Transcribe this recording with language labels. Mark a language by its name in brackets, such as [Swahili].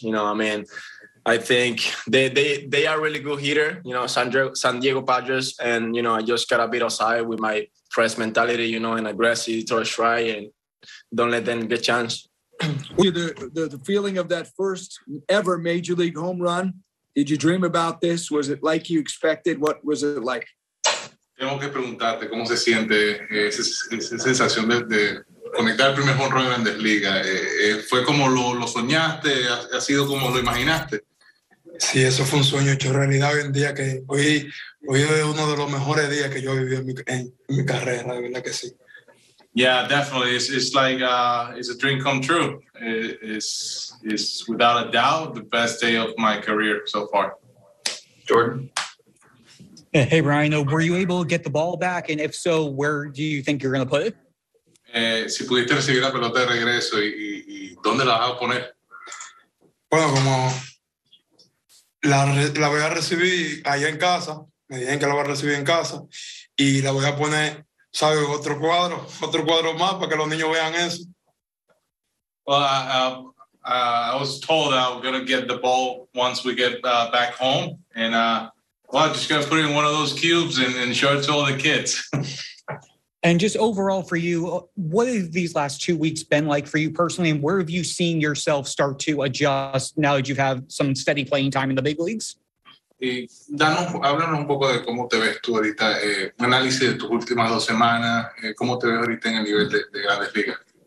[English] You know, I mean, I think they are really good hitter, you know, San Diego Padres. And, you know, I just got a bit outside with my press mentality, you know, and aggressive towards try and don't let them get chance. The feeling of that first ever major league home run. Did you dream about this? Was it like you expected? What was it like? [Spanish] Tengo que preguntarte cómo se siente esa sensación de conectar el primer home run en Grandes Ligas. ¿Fue como lo soñaste? ¿Ha sido como lo imaginaste? Sí, eso fue un sueño hecho realidad. Hoy en día que hoy es uno de los mejores días que yo he vivido en mi carrera, de verdad que sí. [English] Yeah, definitely. It's like it's a dream come true. It's without a doubt the best day of my career so far. Jordan? Hey, Brian, were you able to get the ball back? And if so, where do you think you're going to put it? [Spanish] Si pudiste recibir la pelota de regreso, ¿y dónde la vas a poner? Bueno, como la voy a recibir allá en casa, me dijeron que la voy a recibir en casa, y la voy a poner... ¿Sabe? Otro cuadro más para que los niños vean eso. [English] Well, I was told that I'm going to get the ball once we get back home. And, I'm just going to put it in one of those cubes and show it to all the kids. And just overall for you, what have these last 2 weeks been like for you personally? And where have you seen yourself start to adjust now that you have some steady playing time in the big leagues? [Spanish] Y háblanos un poco de cómo te ves tú ahorita, un análisis de tus últimas dos semanas, cómo te ves ahorita en el nivel de Grandes Ligas.